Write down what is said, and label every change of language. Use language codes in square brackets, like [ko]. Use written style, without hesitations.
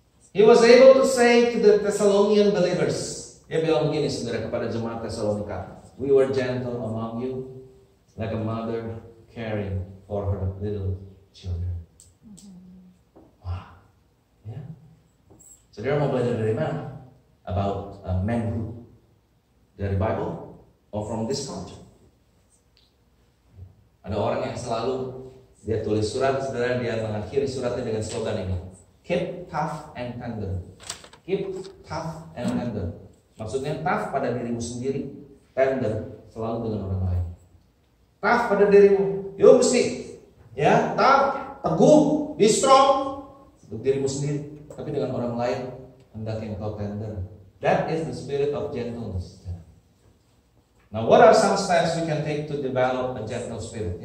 [en] He was able to say to the Thessalonian believers, [id] dia bilang begini sebenarnya kepada jemaat Tesalonika, [en] "We were gentle among you, like a mother caring for her little children." [id] Saudara mau belajar dari mana? [en] About manhood. [id] Dari Bible? [en] Or from this culture? [id] Ada orang yang selalu dia tulis surat, saudara, dia mengakhiri suratnya dengan slogan ini: [en] keep tough and tender. Keep tough and tender. [id] Maksudnya tough pada dirimu sendiri, tender selalu dengan orang lain. Tough pada dirimu, yo mesti ya, tough, teguh, [en] be strong [id] untuk dirimu sendiri, tapi dengan orang lain hendaknya engkau tender. [en] That is the spirit of gentleness. Now, what are some steps we can take to develop a gentle spirit?